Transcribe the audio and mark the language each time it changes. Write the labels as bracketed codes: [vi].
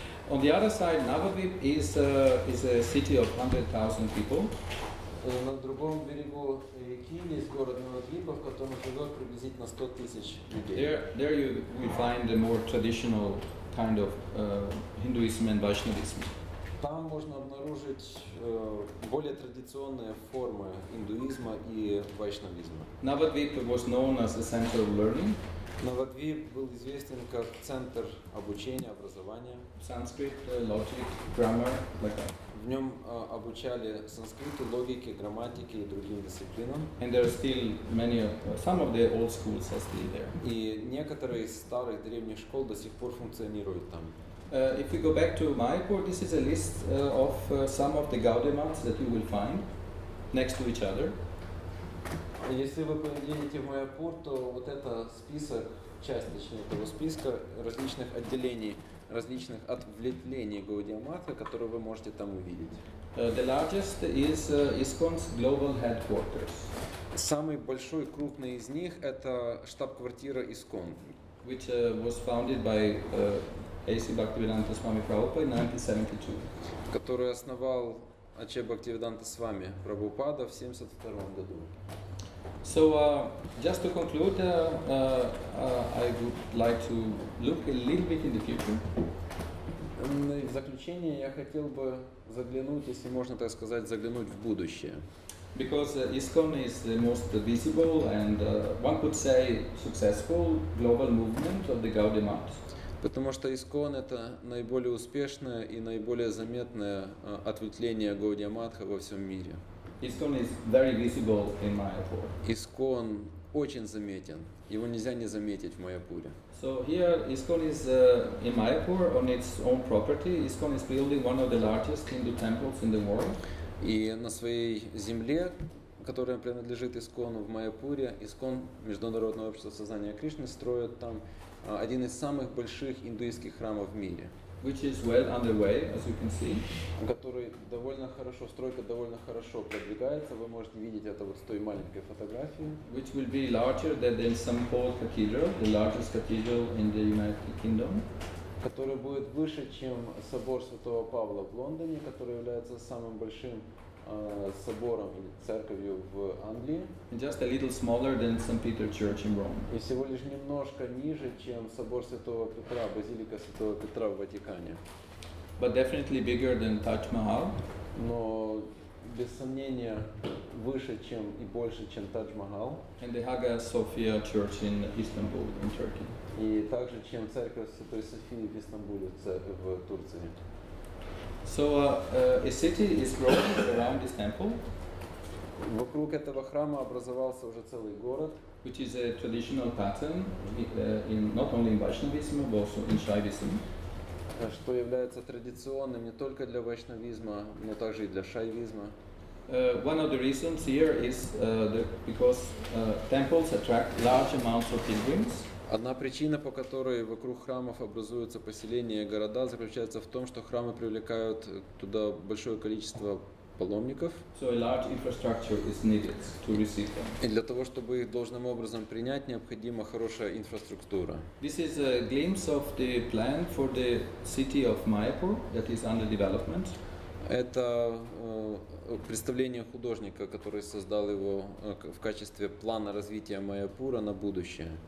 [en] On the other side, Navadvip is a city of 100,000 people. [ru] На другом берегу реки есть город Навадвипа, в котором живет приблизительно 100 тысяч людей. [en] There you will find the more traditional kind of Hinduism and Vaishnavism. [ru] Там можно обнаружить более традиционные формы индуизма и вайшнавизма. [en] Navadvip was known as the center of learning. [ru] Navadvip был известен как центр обучения, образования. [en] Sanskrit, logic, grammar, like that. [ru] В нем обучали санскриту, логике, грамматике и другим дисциплинам. [en] And there are still many, some of the old schools are still there. [ru] И некоторые из старых древних школ до сих пор функционируют там. [en] If we go back to Mayapur, this is a list of some of the Gaudiya Maths that you will find next to each other. [ru] Если вы поедете в Майяпур, то вот это список, часть точнее этого списка различных отделений, различных ответвлений Gaudiya Maths, которые вы можете там увидеть. [en] The largest is ISKCON's global headquarters. [ru] Самый большой, крупный из них – это штаб-квартира ISKCON. [en] Which was founded by A.C. Bhaktivedanta Swami Prabhupada in 1972. [ru] Который основал А.Ч. Бхактивиданта Свами Прабхупада в 1972 году. [en] So, just to conclude, I would like to look a little bit in the future. [ru] В заключение я хотел бы заглянуть, если можно так сказать, заглянуть в будущее. [en] Because ISKCON is the most visible and one could say successful global movement of the Gaudiya Maths. [ru] Потому что ISKCON это наиболее успешное и наиболее заметное ответвление Gaudiya Maths во всем мире. [en] ISKCON is very visible in Mayapur. [ru] ISKCON очень заметен. Его нельзя не заметить в Майяпуре. [en] So here ISKCON is in Mayapur on its own property. ISKCON is building one of the largest Hindu temples in the world. [ru] И на своей земле, которая принадлежит ISKCON в Майяпуре, ISKCON Международное общество сознания Кришны строит там один из самых больших индуистских храмов в мире. [en] Which is well underway, as you can see. [ru] Который довольно хорошо, стройка довольно хорошо продвигается. Вы можете видеть это вот с той маленькой фотографии. [en] Which will be larger than St. Paul's Cathedral, the largest cathedral in the United Kingdom. [ru] Который будет выше, чем собор Святого Павла в Лондоне, который является самым большим собором или церковью в Англии. [en] And just a little smaller than St. Peter Church in Rome. [ru] И всего лишь немножко ниже, чем собор Святого Петра, базилика Святого Петра в Ватикане. [en] But definitely bigger than Taj Mahal. [ru] Но без сомнения выше, чем и больше, чем Taj Mahal. [en] And the Hagia Sophia Church in Istanbul in Turkey. [ru] И также чем церковь Святой Софии в Истанбуле в Турции. [en] So a city is growing around this temple. [ru] Вокруг этого храма образовался уже целый город. [en] Which is a traditional pattern in not only in Vaishnavism but also in Shaivism. [ru] Что является традиционным не только для вайшнавизма, но также и для шайвизма. [en] One of the reasons here is because temples attract large amounts of pilgrims. [ru] Одна причина, по которой вокруг храмов образуются поселения и города, заключается в том, что храмы привлекают туда большое количество паломников. [en] So a large infrastructure is needed to receive them. [ru] И для того, чтобы их должным образом принять, необходима хорошая инфраструктура. [en] This is a glimpse of the plan for the city of Mayapur that is under development. [ru] Это представление художника, который создал его в качестве плана развития Майяпура на будущее.